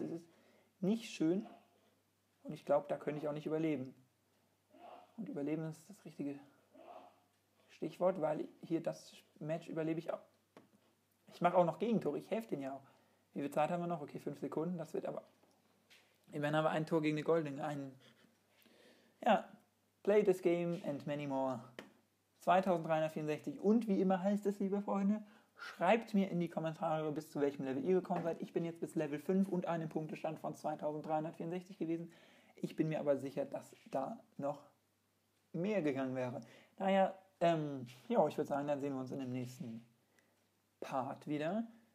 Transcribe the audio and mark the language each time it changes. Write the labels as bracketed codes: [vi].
[de] Es ist nicht schön. Und ich glaube, da könnte ich auch nicht überleben. Und überleben ist das richtige Stichwort, weil hier das Match überlebe ich auch. Ich mache auch noch Gegentore. Ich helfe denen ja auch. Wie viel Zeit haben wir noch? Okay, 5 Sekunden, das wird aber... Immerhin haben wir ein Tor gegen die Goldene, ein... [en] Ja, play this game and many more. [de] 2364 und wie immer heißt es, liebe Freunde, schreibt mir in die Kommentare, bis zu welchem Level ihr gekommen seid. Ich bin jetzt bis Level 5 und einem Punktestand von 2364 gewesen. Ich bin mir aber sicher, dass da noch mehr gegangen wäre. Naja, ich würde sagen, dann sehen wir uns in dem nächsten Part wieder.